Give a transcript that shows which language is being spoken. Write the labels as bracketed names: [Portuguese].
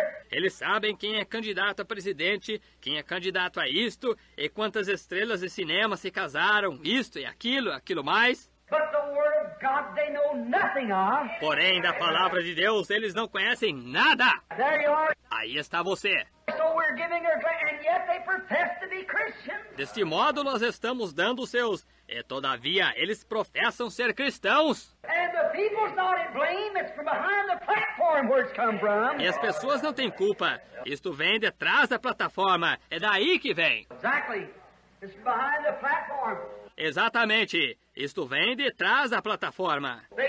[Portuguese] Eles sabem quem é candidato a presidente, quem é candidato a isto, e quantas estrelas de cinema se casaram, isto e aquilo mais. [English] But the word of God they know nothing of. [Portuguese] Porém, da palavra de Deus, eles não conhecem nada. [English] There you are. [Portuguese] Aí está você. [English] So we're giving their grace, and yet they profess to be Christians. [Portuguese] Deste modo, nós estamos dando seus, e todavia, eles professam ser cristãos. [English] And the people's not at blame, it's from behind the platform where it's come from. [Portuguese] E as pessoas não têm culpa, isto vem de trás da plataforma, é daí que vem. [English] Exactly, it's behind the platform. [Portuguese] Exatamente. Isto vem de trás da plataforma.